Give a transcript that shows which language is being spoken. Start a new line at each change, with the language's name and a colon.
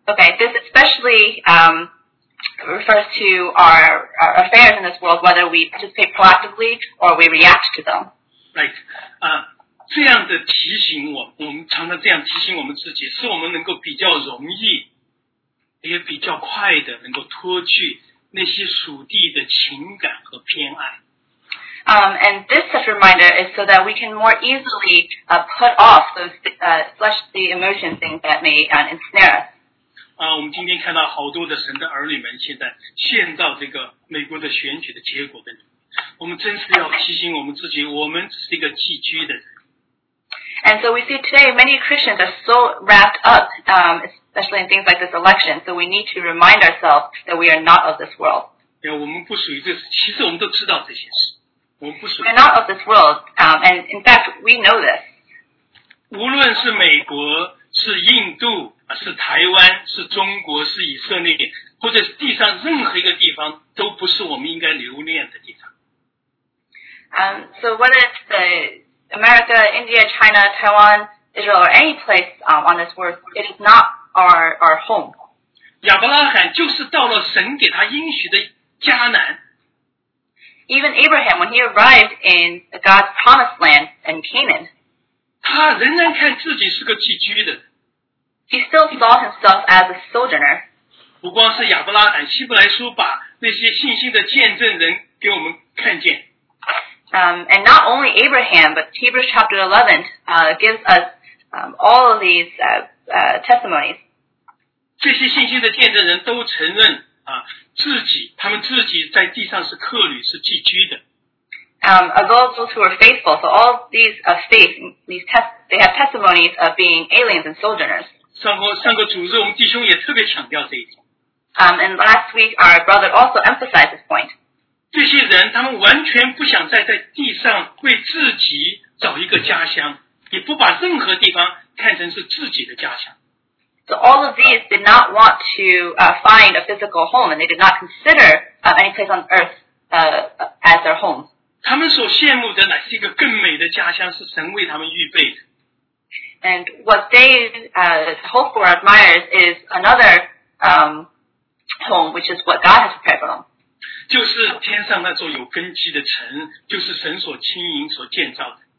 English: Okay, this especially refers to our affairs in this world, whether we participate proactively or we react to them. Right.
Chinese: 这样的提醒我们常常这样提醒我们自己，是我们能够比较容易也比较快的能够脱去那些属地的情感和偏爱。
English: And this such reminder is so that we can more easily put off those fleshly emotion things that may ensnare us.
Chinese: 我们今天看到好多的神的儿女们现在陷到这个美国的选举的结果的，我们真是要提醒我们自己，我们只是一个寄居的人。
English: And so we see today many Christians are so wrapped up, especially in things like this election, so we need to remind ourselves that we are not of this world. Yeah,
Chinese: 我们不属于这，其实我们都知道这些事。我们不属于。
English: We're not of this world, and in fact, we know this.
Chinese: 无论是美国、是印度、是台湾、是中国、是以色列，或者地上任何一个地方，都不是我们应该留恋的地方。
English: So what is the America, India, China, Taiwan, Israel, or any place on this world, it is not our home.
Chinese: 亚伯拉罕就是到了神给他应许的迦南。
English: Even Abraham, when he arrived in God's promised land in Canaan,
Chinese: 他仍然看自己是个寄居的。
English: He still saw himself as a sojourner.
Chinese: 不光是亚伯拉罕，希伯来书把那些信心的见证人给我们看见。
English: And not only Abraham, but Hebrews chapter 11 gives us all of these testimonies.
Chinese: 这些信心的见证人都承认他们自己在地上是客旅，是寄居的。
English: Those who are faithful, so all these they have testimonies of being aliens and sojourners.
Chinese: 上个主日，我们弟兄也特别强调这一点。
English: And last week, our brother also emphasized this point.
Chinese: 这些人他们完全不想再在地上为自己找一个家乡，也不把任何地方看成是自己的家乡。
English: So all of these did not want to find a physical home, and they did not consider any place on earth as their home.
Chinese: 他们所羡慕的乃是一个更美的家乡，是神为他们预备的。
English: And what they hope for, admires, is another home, which is what God has prepared for them.
Chinese: 就是天上那座有根基的城，就是神所轻盈所建造的。